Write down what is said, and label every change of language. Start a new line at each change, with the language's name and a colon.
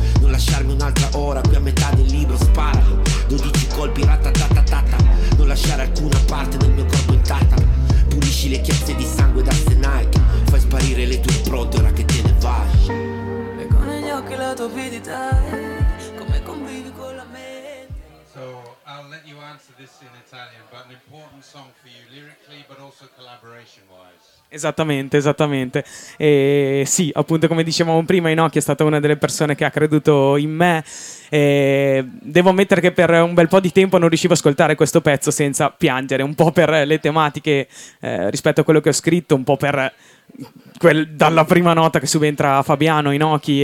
Italian: non lasciarmi un'altra ora qui a metà del libro, sparami, 12 colpi ratatatatata, non lasciare alcuna parte del mio corpo intatta, pulisci le chiazze di sangue da Senai, fai sparire le tue impronte ora che te ne vai. E con gli occhi la tua fedeltà, come convivi con la mente.
English: So I'll let you answer this in Italian, but an important song for you lyrically but also collaboration wise.
Italian: Esattamente, esattamente. E sì, appunto, come dicevamo prima, Inoki è stata una delle persone che ha creduto in me. E devo ammettere che per un bel po' di tempo non riuscivo a ascoltare questo pezzo senza piangere, un po' per le tematiche rispetto a quello che ho scritto, un po' per dalla prima nota che subentra Fabiano Inoki.